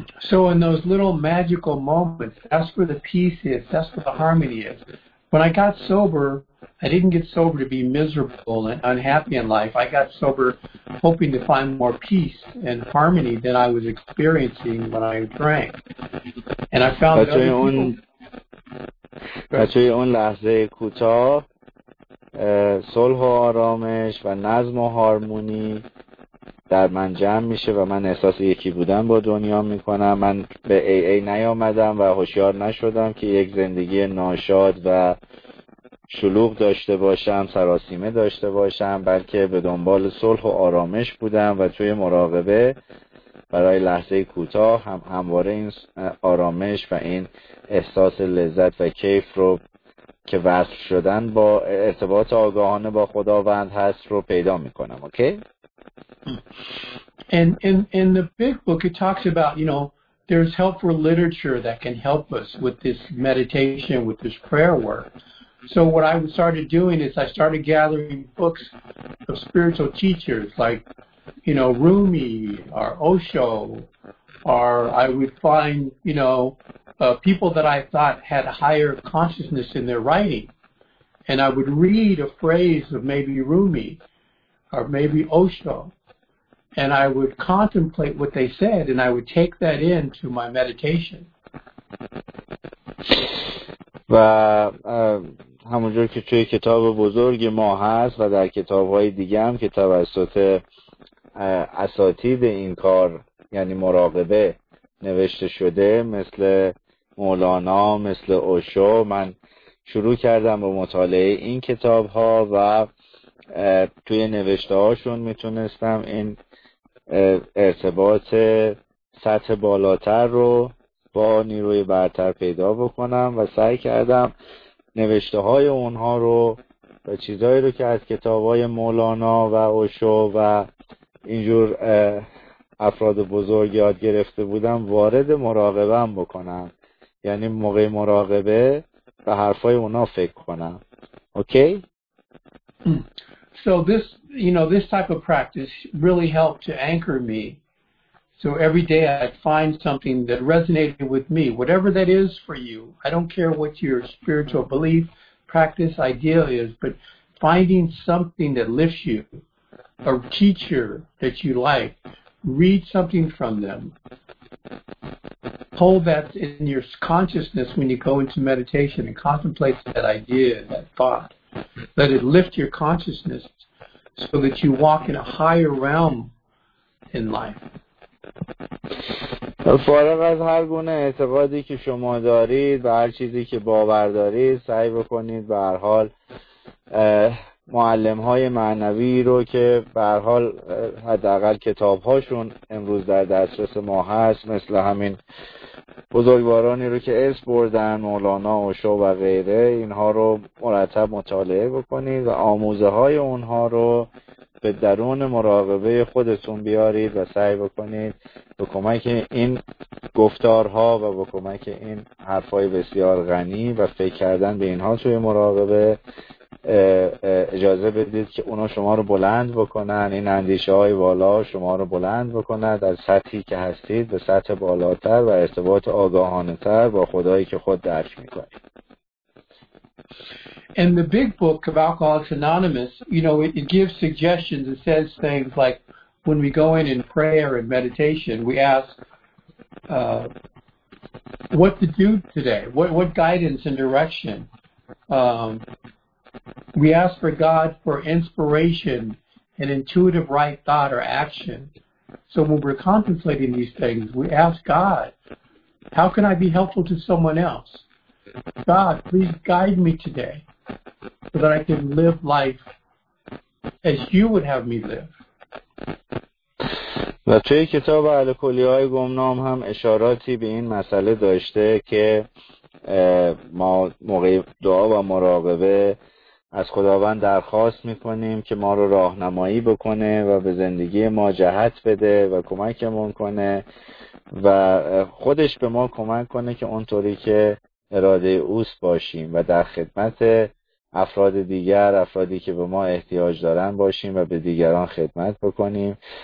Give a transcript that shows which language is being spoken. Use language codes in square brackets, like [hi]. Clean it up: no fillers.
[en] So in those little magical moments, that's where the peace is, that's where the harmony is. When I got sober, I didn't get sober to be miserable and unhappy in life. I got sober hoping to find more peace and harmony than I was experiencing when I drank. And I found that other people... [fa] بچه اون لحظه کوتاه صلح و آرامش و نظم و هارمونی در من جمع میشه و من احساس یکی بودن با دنیا میکنم. من به AA نیامدم و هوشیار نشدم که یک زندگی ناشاد و شلوغ داشته باشم، سراسیمه داشته باشم، بلکه به دنبال صلح و آرامش بودم و توی مراقبه برای لحظه کوتاه همواره این آرامش و این احساس لذت و کیف رو که وصل شدن با ارتباط آگاهانه با خداوند هست رو پیدا میکنم. [en] Okay? And in the big book, it talks about, you know, there's helpful literature that can help us with this meditation, with this prayer work. So what I started doing is I started gathering books of spiritual teachers like, you know, Rumi or Osho, or I would find, you know, people that I thought had higher consciousness in their writing. And I would read a phrase of maybe Rumi or maybe Osho, and I would contemplate what they said, and I would take that into my meditation. [fa] و همونجور که توی کتاب بزرگ ما هست و در کتاب‌های دیگه هم که توسط اساتید این کار یعنی مراقبه نوشته شده، مثل مولانا، مثل اوشو، من شروع کردم به مطالعه این کتاب‌ها و توی نوشته هاشون میتونستم این ارتباط سطح بالاتر رو با نیروی برتر پیدا بکنم و سعی کردم نوشته های اونها رو و چیزایی رو که از کتاب های مولانا و اوشو و اینجور افراد بزرگ یاد گرفته بودم وارد مراقبه هم بکنم، یعنی موقع مراقبه به حرفای اونها فکر کنم. [en] Okay? So this, you know, this type of practice really helped to anchor me. So every day I'd find something that resonated with me, whatever that is for you. I don't care what your spiritual belief, practice, idea is, but finding something that lifts you, a teacher that you like, read something from them. Hold that in your consciousness when you go into meditation and contemplate that idea, that thought. Let it lift your consciousness so that you walk in a higher realm in life. [fa] فارغ از هر گونه اعتقادی که شما دارید و هر چیزی که باور دارید، سعی بکنید به هر حال معلم‌های معنوی رو که به هر حال حداقل کتاب‌هاشون امروز در دسترس ما هست، مثل همین بزرگوارانی رو که اسم بردن، مولانا، اوشو و غیره، اینها رو مرتب مطالعه بکنید و آموزه‌های اونها رو به درون مراقبه خودتون بیارید و سعی بکنید به کمک این گفتارها و به کمک این حرفای بسیار غنی و فکر کردن به اینها توی مراقبه اجازه بدید که اونا شما رو بلند بکنن، این اندیشه های والا شما رو بلند بکنن در سطحی که هستید به سطح بالاتر و ارتباط آگاهانه تر با خدایی که خود درک میکنید. [en] In the big book of Alcoholics Anonymous, you know, it gives suggestions. It says things like when we go in prayer and meditation, we ask what to do today, what guidance and direction. We ask for God for inspiration and intuitive right thought or action. So when we're contemplating these things, we ask God, how can I be helpful to someone else? God, please guide me today so that I can live life as you would have me live. [fa] و توی کتاب الکلی‌های گمنام هم اشاراتی به این مسئله داشته که ما موقع دعا و مراقبه از خداوند درخواست میکنیم که ما رو راهنمایی بکنه و به زندگی ما جهت بده و کمکمون کنه و خودش به ما کمک کنه که اونطوری که اراده اوست باشیم و در خدمت افراد دیگر، افرادی که به ما احتیاج دارن باشیم و به دیگران خدمت بکنیم.